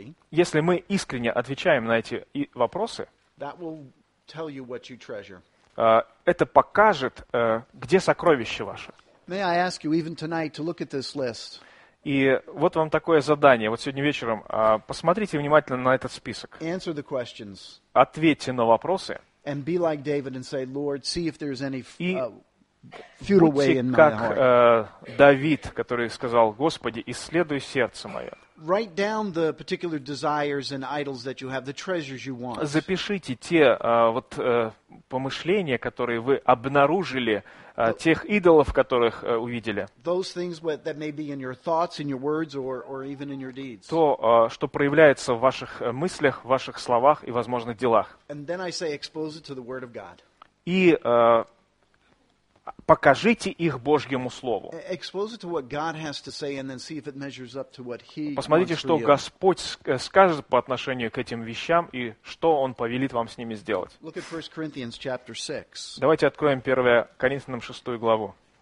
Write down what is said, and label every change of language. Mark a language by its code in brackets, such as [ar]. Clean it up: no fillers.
[ru] Если мы искренне отвечаем на эти вопросы, это покажет, где сокровище ваше. [en] May I ask you even tonight to look at this list? [ru] И вот вам такое задание. Вот сегодня вечером посмотрите внимательно на этот список. [en] Answer the questions. [ru] Ответьте на вопросы. [en] And be like David and say, Lord, see if there's any futile way in my heart. [ru] И как Давид, который сказал: Господи, исследуй сердце мое. [en] Write down the particular desires and idols that you have, the treasures you want. [ru] Запишите те помышления, которые вы обнаружили, тех идолов, которых увидели. [en] Those things that may be in your thoughts, in your words, or even in your deeds. [ru] То, что проявляется в ваших мыслях, в ваших словах и, возможно, делах. [en] And then I say, expose it to the Word of God. [ru] И покажите их Божьему Слову. Посмотрите, что Господь скажет по отношению к этим вещам и что Он повелит вам с ними сделать. Давайте откроем 1 Коринфянам 6 главу.